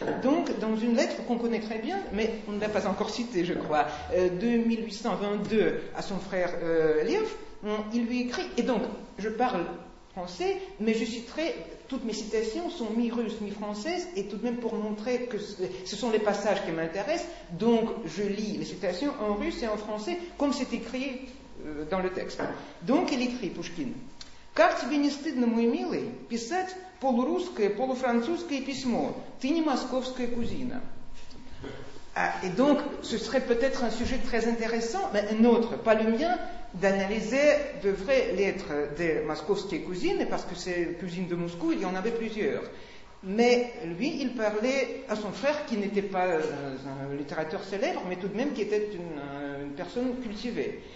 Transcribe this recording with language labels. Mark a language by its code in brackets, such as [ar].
[fr] Donc, dans une lettre qu'on connaît très bien, mais on ne l'a pas encore citée, je crois, de 1822 à son frère Lev, il lui écrit, et donc, je parle français, mais je citerai, toutes mes citations sont mi-russes, mi-françaises, et tout de même pour montrer que ce sont les passages qui m'intéressent, donc je lis les citations en russe et en français, comme c'est écrit dans le texte. Donc il écrit, Pouchkine, [ru] « Как тебе не стыдно, мой милый, писать полурусское, полуфранцузское письмо? Ты не московская кузина. [fr] » Et donc, ce serait peut-être un sujet très intéressant, mais un autre, pas le mien, d'analyser de vraies lettres des московские cousines, parce que c'est cousine de Moscou, il y en avait plusieurs. Mais lui, il parlait à son frère, qui n'était pas un littérateur célèbre, mais tout de même qui était une personne cultivée.